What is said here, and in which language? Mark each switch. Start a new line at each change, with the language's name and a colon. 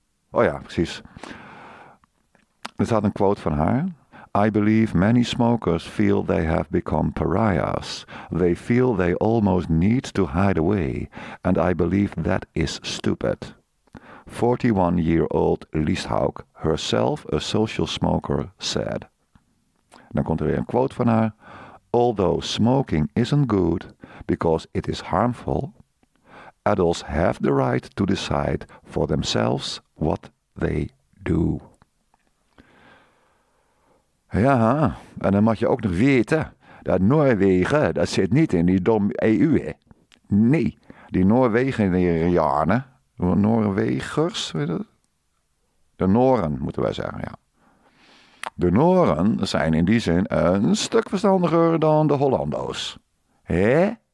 Dutch: Oh ja, precies. Er staat een quote van haar.
English: I believe many smokers feel they have become pariahs. They feel they almost need to hide away. And I believe that is stupid. 41-year-old Listhaug, herself a social smoker, said.
Dutch: Dan komt er weer een quote van haar.
English: Although smoking isn't good because it is harmful, adults have the right to decide for themselves what they do.
Dutch: Ja, en dan mag je ook nog weten dat Noorwegen, dat zit niet in die dom EU. Hè. Nee, die Noorwegenianen. Noorwegers, weet je dat? De Nooren, moeten wij zeggen, ja. De Nooren zijn in die zin een stuk verstandiger dan de Hollando's. Hé?